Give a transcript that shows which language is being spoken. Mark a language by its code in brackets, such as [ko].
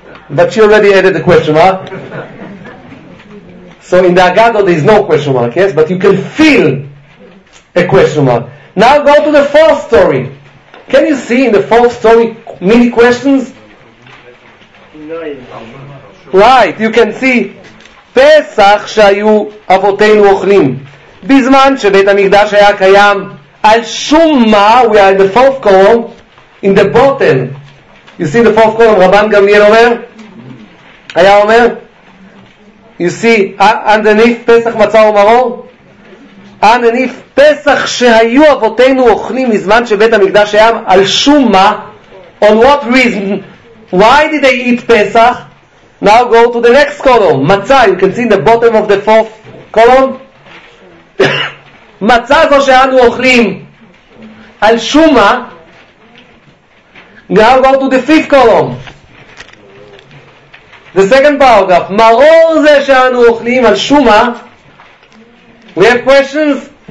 [en] But she already added the question mark. So in the Agada there is no question mark, yes? But you can feel a question mark. Now go to the fourth story. Can you see in the fourth story mini questions? Right, you can see [he] פסח שהיו אבותינו אוכלים בזמן שבית המקדש היה קיים על שום מה. [en] We are in the fourth column in the bottom. You see the fourth column, [he] רבן גמליאל אומר, היה אומר, [en] you see underneath [he] פסח מצא ומרור, underneath פסח שהיו אבותינו אוכלים בזמן שבית המקדש היה, על שום מה, [en] on what reason, why did they eat [he] פסח? [en] Now go to the next column, Matzah. You can see in the bottom of the fourth column. [he] Matzah zo she'anu ochlim al shuma. [en] Now go to the fifth column. The second paragraph. [he] Maror ze she'anu ochlim al shuma. [en] We have questions?